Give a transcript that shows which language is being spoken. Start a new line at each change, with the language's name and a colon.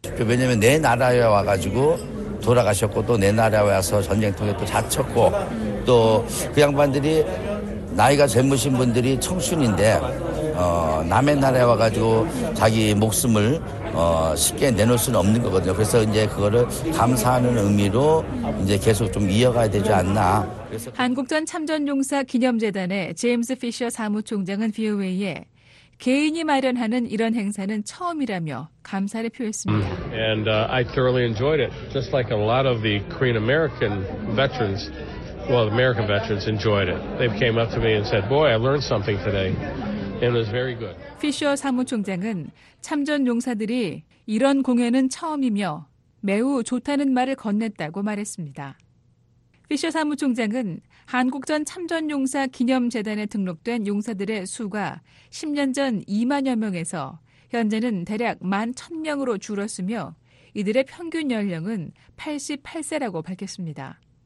Korean: 왜냐하면 내 나라에 와가지고 돌아가셨고 또 내 나라에 와서 전쟁통에 또 다쳤고 또 그 양반들이 나이가 젊으신 분들이 청춘인데 남의 나라에 와가지고 자기 목숨을 쉽게 내놓을 수는 없는 거거든요. 그래서 이제 그거를 감사하는 의미로 이제 계속 좀 이어가야 되지 않나. 한국전 참전용사 기념재단의 제임스 피셔 사무총장은 VOA에 개인이 마련하는 이런 행사는 처음이라며 감사를 표했습니다.
English: And I thoroughly enjoyed it, just like a lot of the Korean American veterans. Well, American veterans enjoyed it. They came up to me and said, "Boy, I learned something today." It was very good.
Korean: 피셔 사무총장은 참전 용사들이 이런 공연은 처음이며 매우 좋다는 말을 건넸다고 말했습니다. 피셔 사무총장은 한국전 참전 용사 기념재단에 등록된 용사들의 수가 10년 전 2만여 명에서 현재는 대략 1만 1,000명으로 줄었으며 이들의 평균 연령은 88세라고 밝혔습니다.